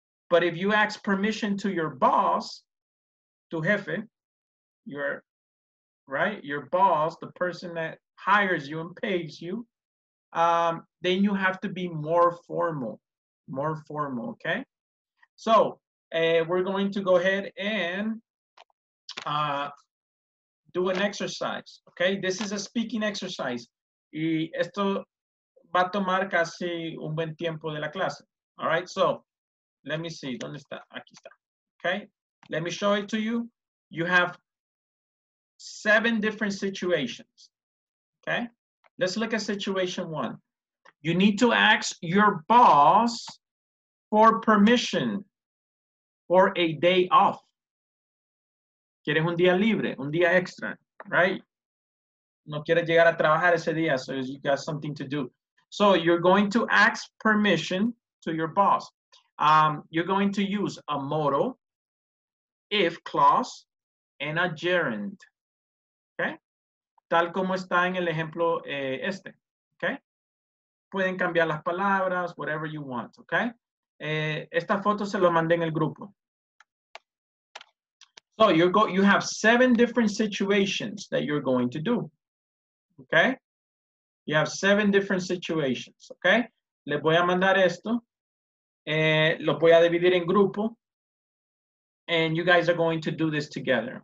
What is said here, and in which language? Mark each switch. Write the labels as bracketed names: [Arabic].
[English] But if you ask permission to your boss, [Spanish] tu jefe, [English] your boss, the person that hires you and pays you, then you have to be more formal, okay? So we're going to go ahead and do an exercise, okay? This is a speaking exercise. [Spanish] Y esto va a tomar casi un buen tiempo de la clase. [English] All right, so let me see. [Spanish] ¿Dónde está? Aquí está. [English] Okay, let me show it to you. You have seven different situations. Okay, Let's look at situation one. You need to ask your boss for permission for a day off. [Spanish] ¿Quieres un día libre? Un día extra, right? No quieres llegar a trabajar ese día, [English] so you got something to do. So you're going to ask permission to your boss. You're going to use a modal, if clause, and a gerund. Okay? [Spanish] Tal como está en el ejemplo este. Okay? Pueden cambiar las palabras, [English] whatever you want. [Spanish] Okay? Esta foto se lo mandé en el grupo. [English] So you have 7 different situations that you're going to do. Okay? You have 7 different situations. Okay? [Spanish] Les voy a mandar esto. Lo voy a dividir en grupo. [English] And you guys are going to do this together.